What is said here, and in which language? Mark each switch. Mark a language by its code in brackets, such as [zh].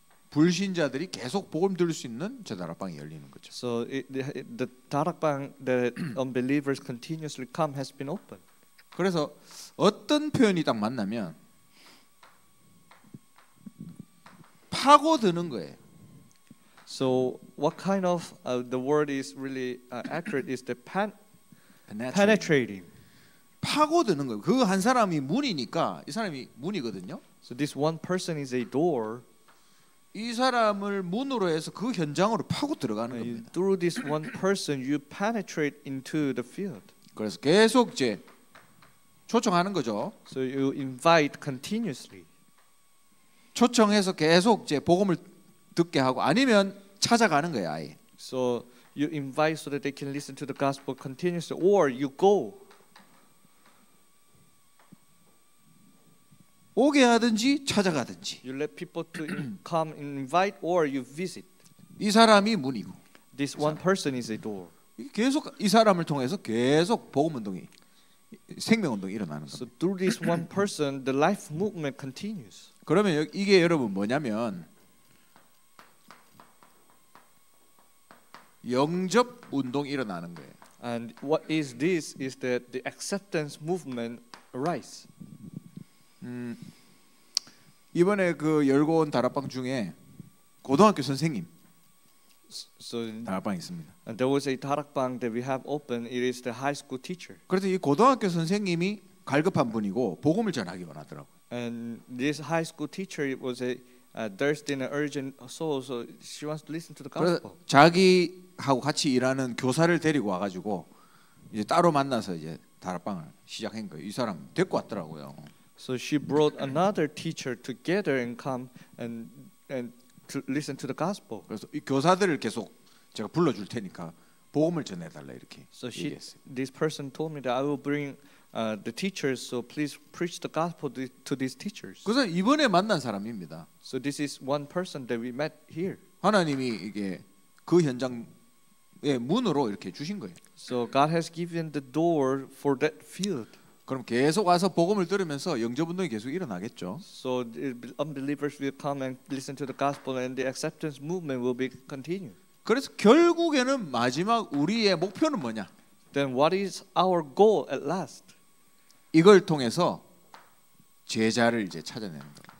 [ko] 불신자들이 계속 복음 들을 수 있는 제 다락방이 열리는 거죠. [en] So the 다락방 that unbelievers continuously come has been opened. [ko] 그래서 어떤 표현이 딱 맞냐면 파고드는 거예요. [en] So what kind of the word is really accurate is the penetrating. [ko] 파고드는 거예요. 그 한 사람이 문이니까 이 사람이 문이거든요. [en] So this one person is a door. [ko] 이 사람을 문으로 해서 그 현장으로 파고 들어가는 겁니다. [en] Through this one person you penetrate into the field. [ko] 그래서 계속 이제 초청하는 거죠. [en] So you invite continuously. [ko] 초청해서 계속 이제 복음을 듣게 하고 아니면 찾아가는 거야 아예. [en] So you invite so that they can listen to the gospel continuously, or you go. [ko] 오게 하든지 찾아가든지. [en] You let people to come and invite, or you visit. [ko] 이 사람이 문이고. [en] This one person is a door. [ko] 계속 이 사람을 통해서 계속 복음 운동이 생명 운동이 일어나는 거야. [en] So through this one person, the life movement continues. [ko] 그러면 이게 여러분 뭐냐면. 영접 운동 일어나는 거예요. [en] And what is this is that the acceptance movement arise. [ko] 이번에 그 열고 온 다락방 중에 고등학교 선생님 [en] so, [ko] 다락방 있습니다. [en] And there was a 다락방 that we have open. It is the high school teacher. [ko] 그래서 이 고등학교 선생님이 갈급한 분이고 복음을 전하기 원하더라고. [en] And this high school teacher was a thirsty and urgent soul, so she wants to listen to the gospel. [ko] 자기 하고 같이 일하는 교사를 데리고 와가지고 이제 따로 만나서 이제 다락방을 시작한 거예요. 이 사람 데리고 왔더라고요. [en] So she brought another teacher together and come and to listen to the gospel. [ko] 그래서 이 교사들을 계속 제가 불러줄 테니까 복음을 전해달라 이렇게 [en] So she, [ko] 얘기했어요. [en] this person told me that I will bring the teachers. So please preach the gospel to these teachers. [ko] 그래서 이번에 만난 사람입니다. [en] So this is one person that we met here. [ko] 하나님이 이게 그 현장의 문으로 이렇게 주신 거예요. [en] So God has given the door for that field. [ko] 그럼 계속 와서 복음을 들으면서 영접 운동이 계속 일어나겠죠. [en] So unbelievers will come and listen to the gospel and the acceptance movement will be continued. [ko] 그래서 결국에는 마지막 우리의 목표는 뭐냐? [en] Then what is our goal at last? [ko] 이걸 통해서 제자를 이제 찾아내는 거예요.